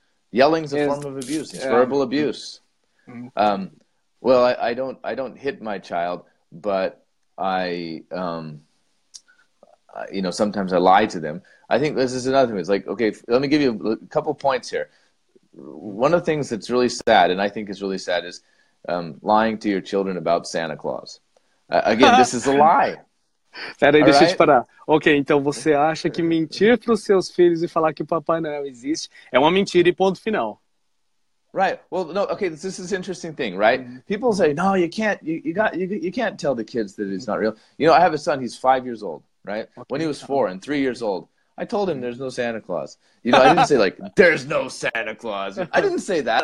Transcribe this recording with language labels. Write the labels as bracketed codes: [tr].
[en] Yelling's a form of abuse. It's verbal abuse. Well, I don't hit my child, but I sometimes I lie to them. I think this is another thing. It's like, okay, let me give you a couple points here. One of the things that's really sad, and I think is really sad, is lying to your children about Santa Claus. Again, this is a lie. [pt] Peraí, deixa [en] right? [pt] eu te parar. Ok, então você acha que mentir para os seus filhos e falar que o Papai Noel existe é uma mentira e ponto final. [en] Right. Well, no, okay, this is an interesting thing, right? Mm-hmm. People say, no, you can't, you can't tell the kids that it's not real. You know, I have a son, he's 5 years old, right? Okay. When he was 4 and 3 years old, I told him there's no Santa Claus. You know, I didn't say like, there's no Santa Claus. I didn't say that.